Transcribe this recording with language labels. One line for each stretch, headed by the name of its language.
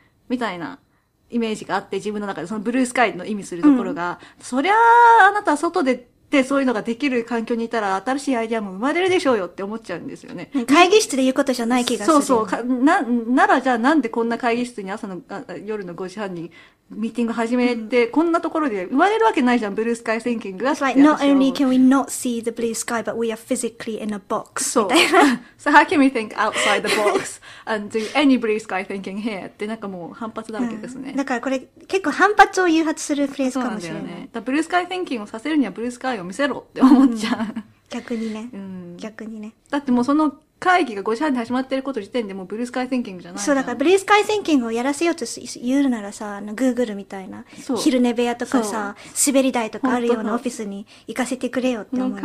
Japanese: みたいなイメージがあって、自分の中でそのブルースカイの意味するところが、うん、そりゃあなたは外でってそういうのができる環境にいたら新しいアイデアも生まれるでしょうよって思っちゃうんですよね。会議室で言うことじゃない気がする、ね。そうそう。ならじゃあなんでこんな会議室に朝の夜の5時半にミーティング始めて、うん、こんなところで生まれるわけないじゃん、ブルースカイ・センキングが。
English: It's like, not only can we not see the blue sky, but we are physically in a box.
Japanese: そう。
English: So how can we think outside the box and do any blue sky thinking here?
Japanese: ってなんかもう反発だらけですね。うん、だからこれ結構反発を誘発するフレーズかもしれない。そうなんだよね。ブルースカイ・センキングをさせるにはブルースカイを見せろって思っちゃう。うん、逆にね。うん。逆にね。だってもうその、会議が5時半で始まってること時点でもうブルースカイセンキングじゃないじゃん。そう、だからブルースカイセンキングをやらせようと言うならさ、あの、グーグルみたいな、昼寝部屋とかさ、滑り台とかあるようなオフィスに行かせてくれよって思う、ね。